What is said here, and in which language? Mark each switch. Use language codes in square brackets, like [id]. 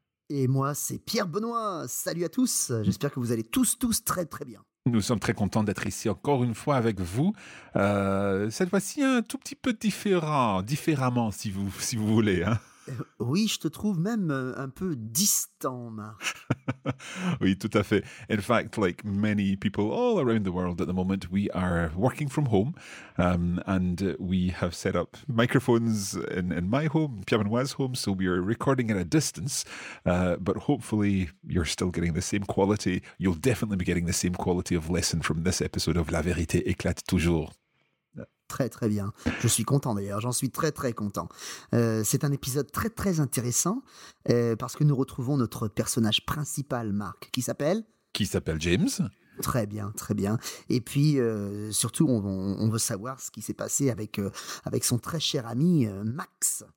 [fr] Et moi c'est Pierre Benoît. Salut à tous. J'espère que vous allez tous très très bien. Nous sommes très contents d'être ici encore une fois avec vous. Cette fois-ci un tout petit peu différemment si vous voulez. Hein. Oui, je te trouve même un peu distant, Marc. Oui, tout à fait. [en] In fact, like many people all around the world at the moment, we are working from home and we have set up microphones in my home, Pierre-Benoît's home, so we are recording at a distance, but hopefully you're still getting the same quality. You'll definitely be getting the same quality of lesson from this episode of La Vérité Éclate Toujours. [fr] Très, très bien. Je suis content d'ailleurs. J'en suis très, très content. C'est un épisode très, très intéressant parce que nous retrouvons notre personnage principal, Marc, qui s'appelle ? Qui s'appelle James. Très bien, très bien. Et puis, surtout, on veut savoir ce qui s'est passé avec, avec son très cher ami, Max.